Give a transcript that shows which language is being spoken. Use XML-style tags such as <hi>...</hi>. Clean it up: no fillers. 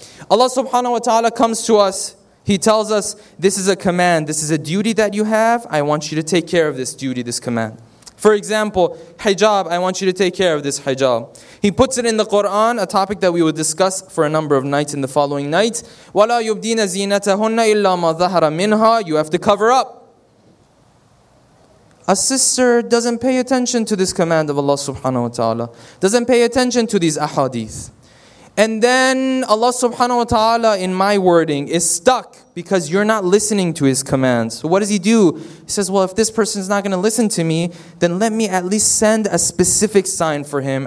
<en>Allah subhanahu wa ta'ala comes to us. He tells us, this is a command. This is a duty that you have. I want you to take care of this duty, this command. For example, hijab. I want you to take care of this hijab. He puts it in the Quran, a topic that we will discuss for a number of nights in the following nights.</en> <ar>وَلَا يُبْدِينَ زِينَتَهُنَّ إِلَّا مَا ظَهَرَ مِنْهَا.</ar> <en>You have to cover up. a sister doesn't pay attention to this command of Allah subhanahu wa ta'ala, doesn't pay attention to these ahadith. And then Allah subhanahu wa ta'ala, in my wording, is stuck because you're not listening to his commands. So what does he do? He says, well, if this person's not going to listen to me, then let me at least send a specific sign for him.</en>